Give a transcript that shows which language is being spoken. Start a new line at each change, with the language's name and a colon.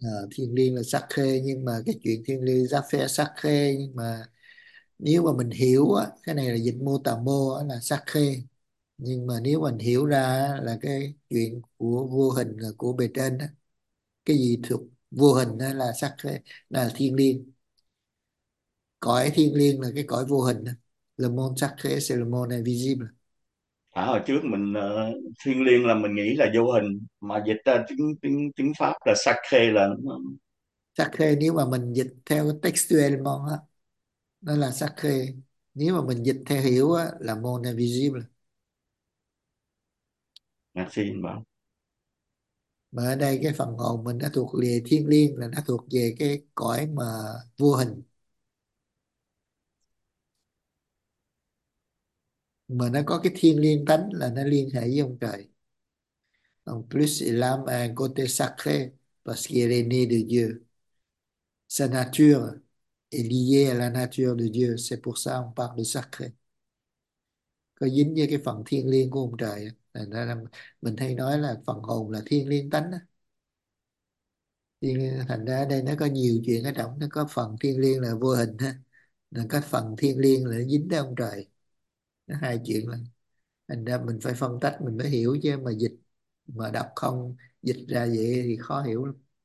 Vietnamese: Thiêng liêng là sacré, nhưng mà cái chuyện thiêng liêng giá phe sacré, nhưng mà nếu mà mình hiểu á, cái này là dịch mô tả mô á, là sacré, nhưng mà nếu mình hiểu ra là cái chuyện của vô hình là của bề trên á, cái gì thuộc vô hình á, là sacré, là thiêng liêng. Cõi thiêng liêng là cái cõi vô hình á.
French: Le monde sacré, c'est le monde invisible.
Vietnamese: Thả hồi trước mình thiêng liêng là mình nghĩ là vô hình, mà dịch ra tiếng tiếng tiếng Pháp là sacré là Sacré nếu mà mình dịch theo textuellement á, nó là sacré. Nếu mà mình dịch theo hiểu á, là
French: mon invisible. merci anh Bảo.
Vietnamese: Mà ở đây cái phần hồn mình nó thuộc về thiêng liêng, là nó thuộc về cái cõi mà vô hình. Mà nó có cái thiêng liêng tánh là nó liên hệ với ông trời.
French: En plus, il a un côté sacré parce qu'il est né de Dieu. Sa nature est lié à la nature de Dieu, c'est pour ça on parle de sacré.
Vietnamese: Có dính với cái phần thiêng liêng của ông trời, là mình hay nói là phần hồn là thiêng liêng tánh. Thì thành ra đây nó có nhiều chuyện ở trong, nó có phần thiêng liêng là vô hình, là có phần thiêng liêng là dính tới ông trời. Nó hai chuyện là thành ra mình phải phân tách mình mới hiểu chứ, mà dịch mà đọc không dịch ra vậy thì khó hiểu lắm.